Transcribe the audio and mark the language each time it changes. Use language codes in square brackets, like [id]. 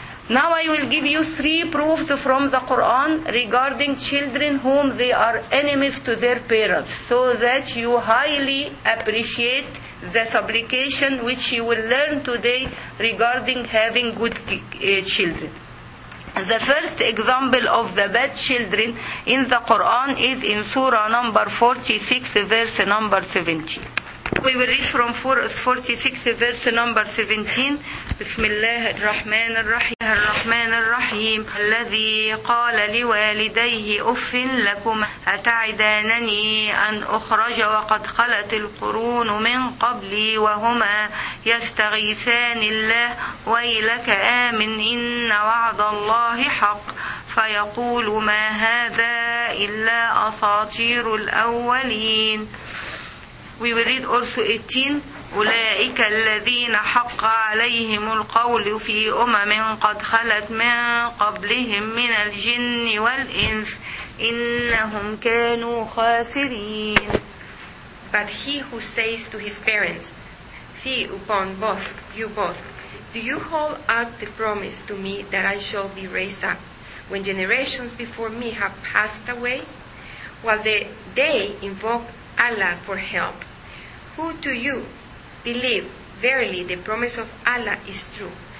[en] Now I will give you three proofs from the Quran regarding children whom they are enemies to their parents, so that you highly appreciate the supplication which you will learn today regarding having good children. The first example of the bad children in the Quran is in Surah number 46, verse number 17. We will read from 46, verse number 17. [ar] Bismillah ar-Rahman ar-Rahim. Ar-Rahman ar-Rahim. الذي قال لوالديه أف لكم أتعدانني أن أخرج وقد خلت القرون من قبلي وهما يستغيثان الله ويلك آمن إن وعد الله حق فيقول ما هذا إلا أساطير الأولين. [en] We will read also 18. [ar] أولئك الذين حق عليهم القول في أمم قد خلت من قبلهم من الجن والإنس إنهم كانوا خاسرين. [en] But he who says to his parents, fie upon both, you both, do you hold out the promise to me that I shall be raised up when generations before me have passed away? While they invoke Allah for help, who to you believe, verily the promise of Allah is true.